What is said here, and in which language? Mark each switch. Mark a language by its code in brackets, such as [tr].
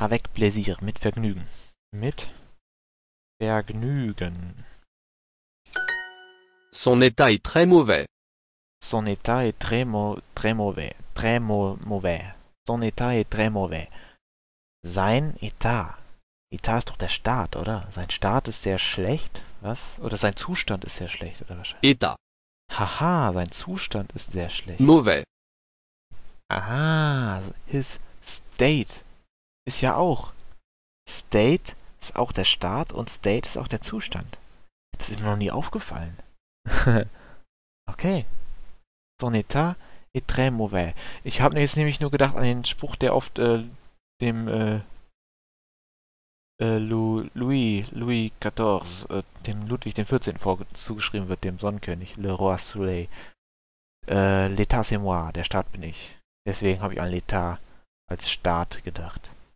[fr] Avec plaisir, [de] mit Vergnügen. Mit Vergnügen. [fr] Son état est très mauvais. Son état est très mauvais. Très mauvais. Son état est très mauvais. [de] Sein état. État ist doch der Staat, oder? Sein Staat ist sehr schlecht. Was? Oder sein Zustand ist sehr schlecht, oder wahrscheinlich? État. Haha, sein Zustand ist sehr schlecht. Mauvais. Aha, [en] his state [de] ist ja auch. State ist auch der Staat und State ist auch der Zustand. Das ist mir noch nie aufgefallen. Okay. [fr] Son état est très mauvais. [de] Ich habe jetzt nämlich nur gedacht an den Spruch, der oft dem Louis XIV, dem Ludwig dem 14. zugeschrieben wird, dem Sonnenkönig, Le Roi Soleil. [fr] L'État c'est moi, [de] der Staat bin ich. Deswegen habe ich an l'État als Staat gedacht.